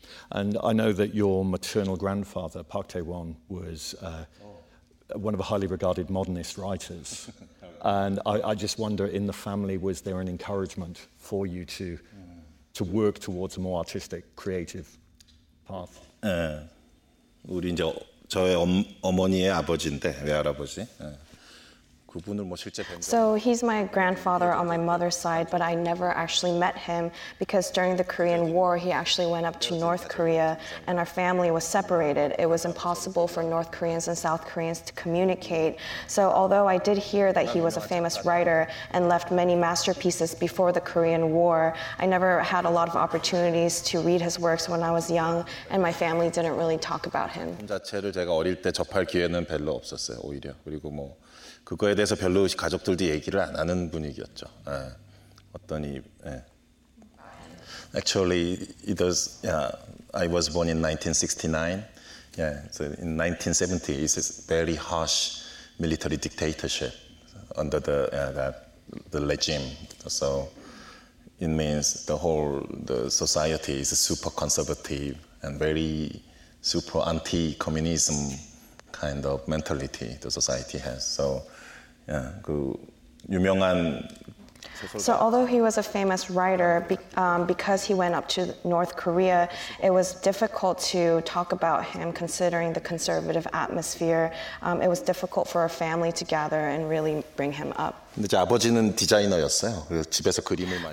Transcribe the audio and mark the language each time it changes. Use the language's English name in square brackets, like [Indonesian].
[English] And I know that your maternal grandfather Park Tae-won was one of the highly regarded modernist writers. And I just wonder, in the family, was there an encouragement for you to work towards a more artistic, creative path? [Korean] 우리 이제 저의 어머니의 아버지인데 외할아버지. 그분을 뭐 실제 뵌. [English] So he's my grandfather on my mother's side, but I never actually met him because during the Korean War he actually went up to North Korea, and our family was separated. It was impossible for North Koreans and South Koreans to communicate. So although I did hear that he was a famous writer and left many masterpieces before the Korean War, I never had a lot of opportunities to read his works when I was young, and my family didn't really talk about him. [Korean] 자체를 제가 어릴 때 접할 기회는 별로 없었어요. 오히려 그리고 뭐. 그거에 대해서 별로 가족들도 얘기를 안 하는 분위기였죠. 예. 어떤 이 예. [English] Actually, it was I was born in 1969. Yeah, so in 1970, it's a very harsh military dictatorship under the regime. So it means the society is super conservative and very super anti-communism kind of mentality the society has. So yeah, [Korean] 그 유명한. [English] So although he was a famous writer, because he went up to North Korea, it was difficult to talk about him considering the conservative atmosphere. It was difficult for our family to gather and really bring him up. [Korean] 근데 아버지는 디자이너였어요. 그래서 집에서 그림을 많이.